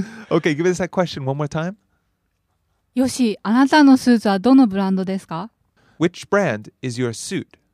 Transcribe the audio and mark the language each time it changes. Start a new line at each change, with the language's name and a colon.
English: Okay, give us that question one more time.
Japanese: よし、あなたのスーツはどのブランドですか？
English: Which brand is your suit?